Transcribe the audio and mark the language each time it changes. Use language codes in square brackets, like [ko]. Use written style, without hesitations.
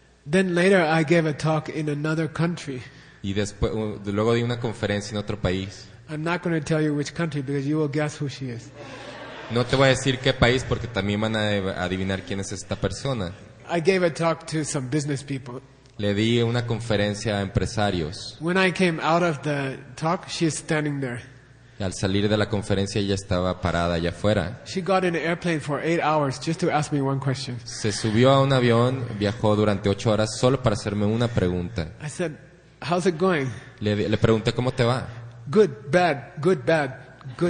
[en] Then later I gave a talk in another country. [es] Y después, luego di una conferencia en otro país. [en] I'm not going to tell you which country because you will guess who she is. [es] No te voy a decir qué país porque también van a adivinar quién es esta persona. [en] I gave a talk to some business people. [es] Le di una conferencia a empresarios. [en] When I came out of the talk, she is standing there. [es] Y al salir de la conferencia ella estaba parada allá afuera. [en] She got in an airplane for 8 hours just to ask me one question. [es] Se subió a un avión, viajó durante 8 horas solo para hacerme una pregunta. [en] I said, "How's it going?" [es] Le pregunté cómo te va. [en] Good, bad, good, bad. Good,